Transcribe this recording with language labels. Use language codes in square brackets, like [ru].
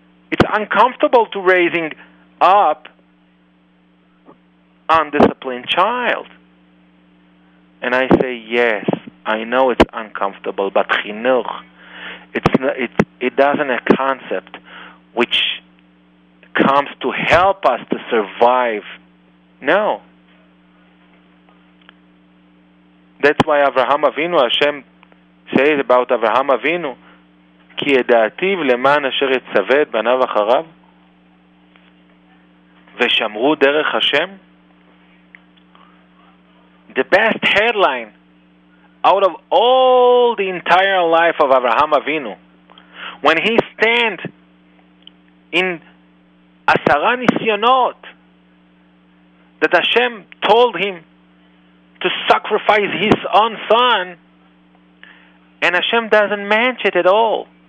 [en] It's uncomfortable to raising up an undisciplined child. And I say, yes, I know it's uncomfortable, but chinuch, it doesn't a concept which comes to help us to survive. No. That's why Avraham Avinu, [he] Hashem says about Avraham Avinu, כי ידעתיו למען אשר יצווה את בניו אחריו ושמרו דרך השם. [en] The best headline out of all the entire life of Avraham Avinu, when he stand in 10 ניסיונות, that Hashem told him to sacrifice his own son, and Hashem doesn't mention it at all.